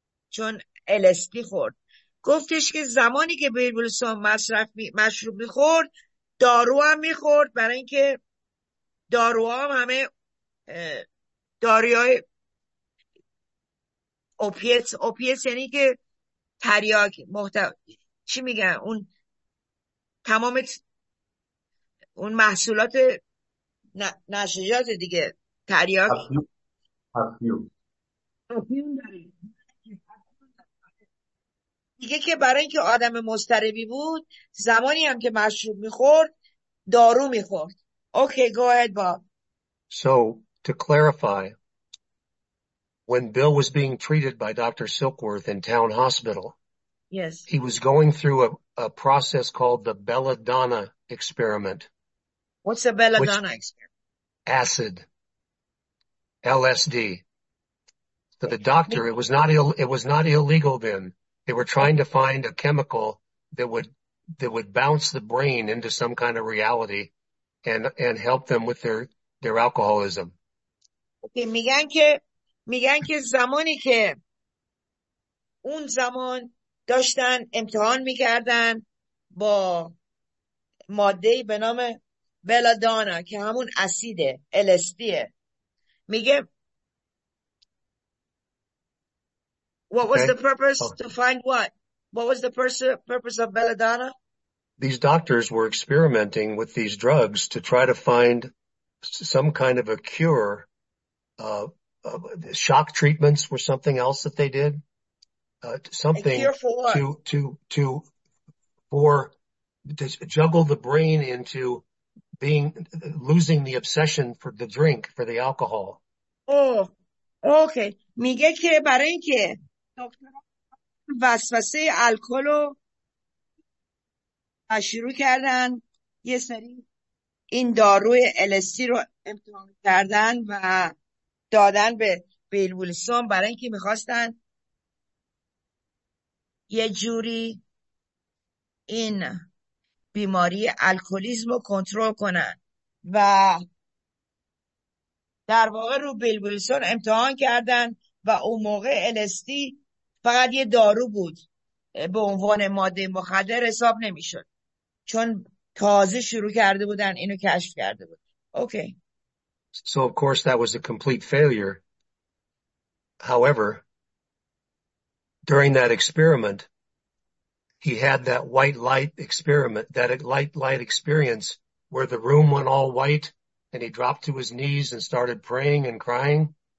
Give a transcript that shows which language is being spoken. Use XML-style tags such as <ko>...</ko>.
<fa>چون الستی خورد، گفتش که زمانی که بیل ویلسون مشروب میخورد، دارو هم میخورد، برای اینکه دارو هم همه داروهای اوپیت یعنی که تریاک چی میگن، اون تمام اون محصولات نشجات دیگه، تریاک افیون داریم دیگه، که برای اینکه آدم مضطربی بود، زمانی هم که مشروب میخورد دارو میخورد.</fa> <en>Okay, go ahead Bob. So to clarify, when Bill was being treated by Dr. Silkworth in town hospital, yes, he was going through a process called the belladonna experiment. What's a belladonna experiment? Acid. LSD. To the doctor, Yeah. it was not illegal then. They were trying to find a chemical that would bounce the brain into some kind of reality and help them with their alcoholism.</en> <fa>که میگن که زمانی که اون زمان داشتن امتحان میکردن با ماده به نام بلادانا که همون اسیده LSDه میگه</fa> <en>What was Okay. the purpose Oh. to find what? What was the purpose of Belladonna? These doctors were experimenting with these drugs to try to find some kind of a cure. Shock treatments were something else that they did. Something a cure for what? To juggle the brain into being losing the obsession for the drink, for the alcohol. Oh, okay.</en> <fa>میگه که برای اینکه وسوسه الکل رو شروع کردن یه سری این داروی LSD رو امتحان کردن و دادن به بیل ویلسون برای اینکه میخواستن یه جوری این بیماری الکلیسم رو کنترل کنن و در واقع رو بیل ویلسون امتحان کردن و اون موقع LSD فقط یه دارو بود به عنوان ماده مخدر حساب نمیشد چون تازه شروع کرده بودن اینو کشف کرده بود اوکی</fa> <en>So of course that was a complete failure. However, during that experiment, he had that white light experiment, that light experience where the room went all white and he dropped to his knees and started praying and crying.</en>